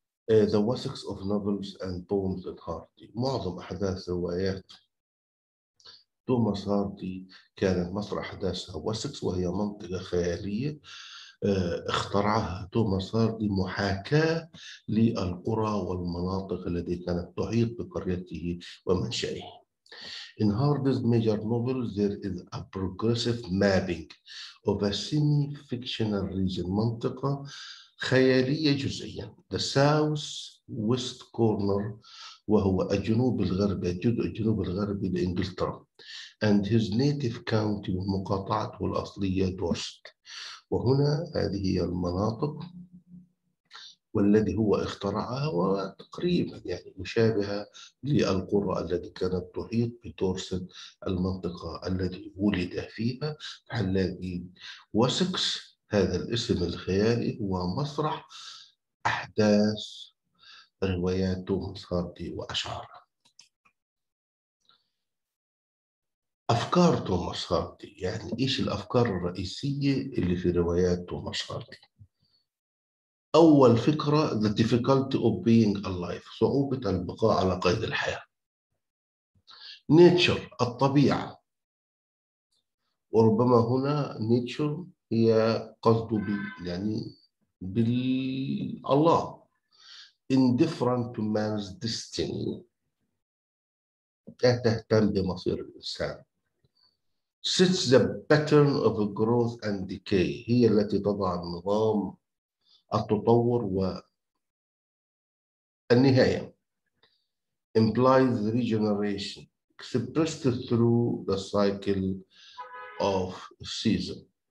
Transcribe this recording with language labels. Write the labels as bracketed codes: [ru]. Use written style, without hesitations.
[en] The Wasps of Novels and Poems at Hardy, [ar] معظم أحداث روايات توماس هاردي كانت مصدر أحداثها Wasps, وهي منطقة خيالية اخترعها توماس هاردي محاكاة للقرى والمناطق التي كانت تحيط بقريته ومنشئه. [en] In Hardy's major novels there is a progressive mapping of a semi-fictional region, [ar] منطقة خياليه جزئيا. [en] The south west corner, [ar] وهو الجنوب الغربي, جزء الجنوب الغربي لانجلترا. [en] And his native county, [ar] ومقاطعته الاصليه دورست. وهنا هذه هي المناطق والذي هو اخترعها, وتقريبا يعني مشابهة للقرى التي كانت تحيط بدورست, المنطقة التي ولد فيها. هنلاقي وسكس, هذا الاسم الخيالي هو مسرح أحداث رواياته ومسارته وأشعاره. أفكار توماس هاردي, يعني إيش الأفكار الرئيسية اللي في روايات توماس هاردي؟ أول فكرة, [en] the difficulty of being alive, [ar] صعوبة البقاء على قيد الحياة. Nature, الطبيعة, وربما هنا nature هي قصد يعني بالله. [en] Indifferent to man's destiny, [ar] لا تهتم بمصير الإنسان. [en] Sets the pattern of growth and decay, [ar] هي التي تضع النظام التطور والنهاية. [en] Implies regeneration, expressed through the cycle of season.